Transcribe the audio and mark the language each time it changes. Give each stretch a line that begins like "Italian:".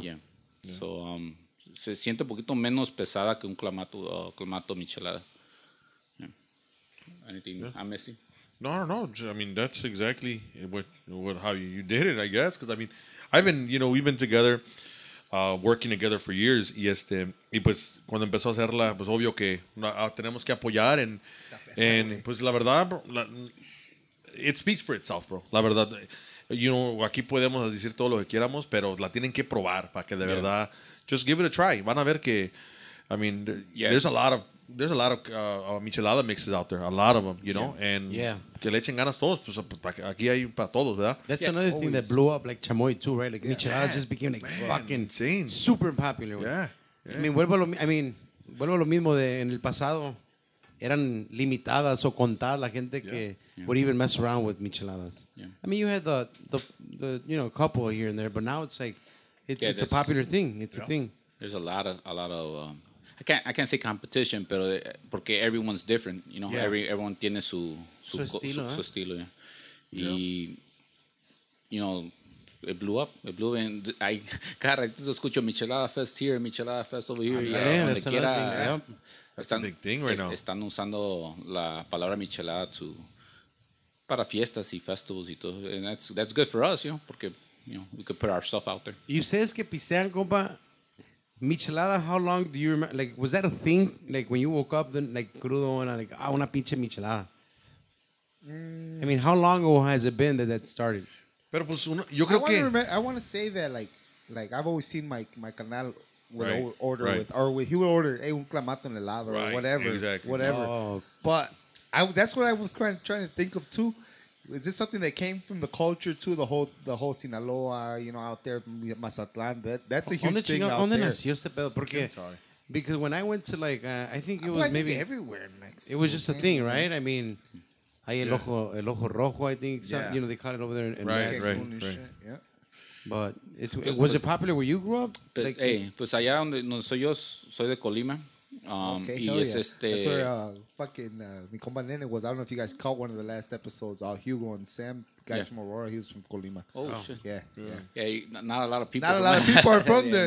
Spanish: Yeah. So se siente un poquito menos pesada que un clamato michelada. Yeah.
English: Anything I'm missing? No. I mean, that's exactly what how you did it, I guess. Because, I mean, we've been together, working together for years.
Spanish: Y este, y pues, cuando empezó a hacerla, pues, obvio que tenemos que apoyar en...
English: And,
Spanish: pues, la verdad,
English: bro, it speaks for itself, bro.
Spanish: La verdad,
English: you know,
Spanish: aquí podemos decir todo lo que queramos, pero la tienen que probar para que de verdad,
English: just give it a try. Van a ver que, I mean, there's a lot of michelada mixes out there, a lot of them, you know, and
Spanish: que le echen ganas todos, pues, aquí hay para todos, ¿verdad?
English: That's another thing that blew up, like Chamoy, too, right? Like, michelada just became, like, fucking insane. Super popular. Yeah. I mean,
Spanish: vuelvo lo mismo de en el pasado. Eran limitadas o contadas la gente que
English: would even mess around with micheladas. Yeah. I mean, you had the you know, a couple here and there, but now it's like it's a popular thing. It's a thing. There's a lot of I can't say competition,
Spanish: pero porque
English: everyone's different, you know. Yeah. Everyone
Spanish: tiene su estilo.
English: Yeah. Yeah. Y you know, it blew up and I
Spanish: cada ratito escucho
English: Michelada Fest here, Michelada Fest over here. Yeah, yeah, that's another thing. Yep. That's a big thing right now.
Spanish: Están usando la palabra michelada para fiestas y festivals y todo.
English: And that's good for us, you know,
Spanish: porque,
English: you know, we could put our stuff out there. You say
Spanish: es que pistean, compa,
English: michelada, how long do you remember? Like, was that a thing? Like, when you woke up, then, like, crudo, and like, ah,
Spanish: una pinche michelada.
English: Mm. I mean, how long ago has it been that started?
Spanish: Pero pues, yo creo que...
English: I want to say that, like I've always seen my canal... He would order, hey,
Spanish: un clamato en helado,
English: right, or whatever. Exactly. Whatever. Oh. But that's what I was trying to think of, too. Is this something that came from the culture, too? The whole Sinaloa, you know, out there, Mazatlán. That's a huge thing out there.
Spanish: Nació este pedo? Porque,
English: I'm sorry. Because when I went to, like, I think it was maybe everywhere in Mexico. It was just a thing, right? I mean,
Spanish: hay el ojo rojo,
English: I think. Some, you know, they caught it over there in Mexico. Right, right. But was it popular where you grew up?
Spanish: Pues,
English: like, hey,
Spanish: pues allá donde no soy yo, soy de Colima.
English: Okay,
Spanish: y es
English: yeah.
Spanish: Este,
English: that's where
Spanish: mi compa Nene
English: was. I don't know if you guys caught one of the last episodes. Hugo and Sam, guys from Aurora, he was from Colima. Oh, shit. Yeah, yeah. Not a lot of people. Not a lot of people are from there.